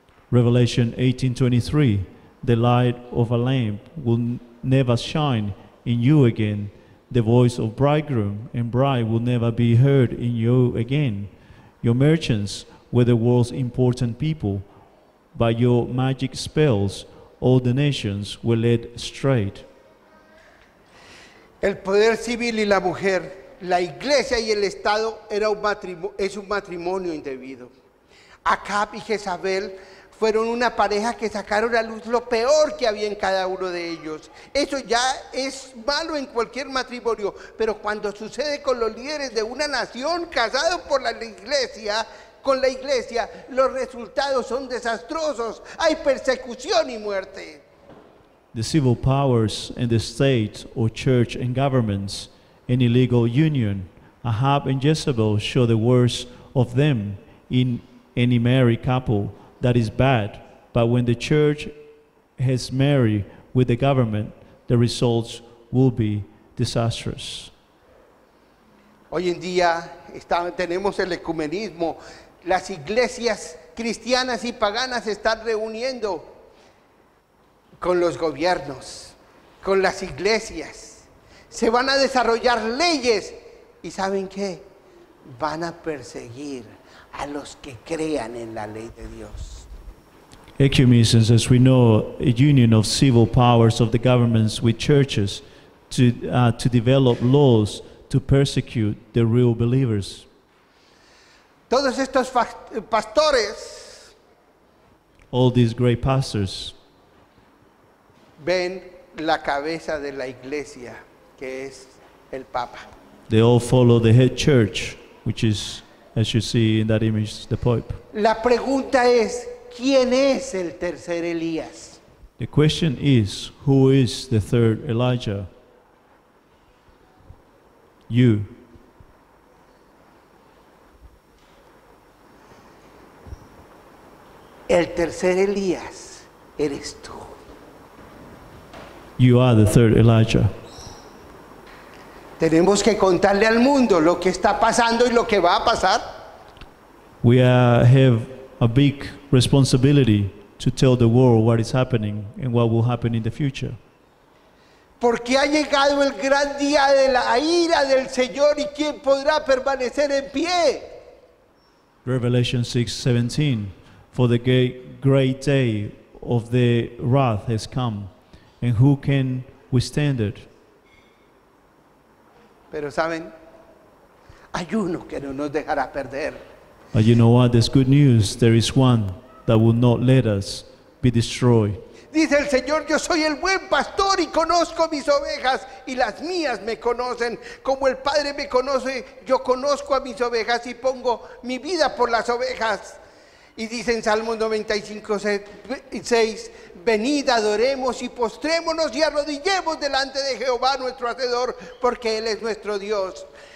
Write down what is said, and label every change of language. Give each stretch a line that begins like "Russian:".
English: Revelation 18:23, the light of a lamp will never shine in you again. The voice of bridegroom and bride will never be heard in you again. Your merchants were the world's important people. By your magic spells, all the nations were led straight.
Spanish: El poder civil y la mujer, la iglesia y el Estado, es un matrimonio indebido. Acab y Jezabel fueron una pareja que sacaron a luz lo peor que había en cada uno de ellos. Eso ya es malo en cualquier matrimonio, pero cuando sucede con los líderes de una nación casados por la iglesia, con la iglesia, los resultados son desastrosos. Hay persecución y muerte.
English: The civil powers in the state or church and governments, an illegal union, Ahab and Jezebel show the worst of them in any married couple. That is bad, but when the church has married with the government, the results will be disastrous.
Spanish: Hoy en día tenemos el ecumenismo. Las iglesias cristianas y paganas están reuniendo con los gobiernos, con las iglesias. Se van a desarrollar leyes y ¿saben qué? Van a perseguir a los que crean en la ley de Dios.
English: Ecumenism, as we know, a union of civil powers of the governments with churches to develop laws to persecute the real believers.
Spanish: Todos estos pastores,
English: all these great pastors,
Spanish: ven la cabeza de la iglesia, que es el Papa.
English: They all follow the head church, which is, as you see in that image, the Pope.
Spanish: La pregunta es, ¿quién es el tercer Elías?
English: The question is, who is the third Elijah? You.
Spanish: El tercer Elías eres tú.
English: You are the third Elijah.
Spanish: Tenemos que contarle al mundo lo que está pasando y lo que va a pasar.
English: We have a big responsibility to tell the world what is happening and what will happen in the future.
Spanish: Porque ha llegado el gran día de la ira del Señor y quién podrá permanecer en pie.
English: Revelation 6:17. For the great day of the wrath has come, and who can withstand it?
Spanish: Pero saben, hay uno que no nos dejará perder.
English: But you know what? There's good news. There is one that will not let us be destroyed.
Spanish: Dice el Señor, yo soy el buen pastor y conozco mis ovejas y las mías me conocen. Como el Padre me conoce, yo conozco a mis ovejas y pongo mi vida por las ovejas. Y dice en Salmo 95:6, venid, adoremos y postrémonos y arrodillemos delante de Jehová nuestro Hacedor, porque Él es nuestro Dios.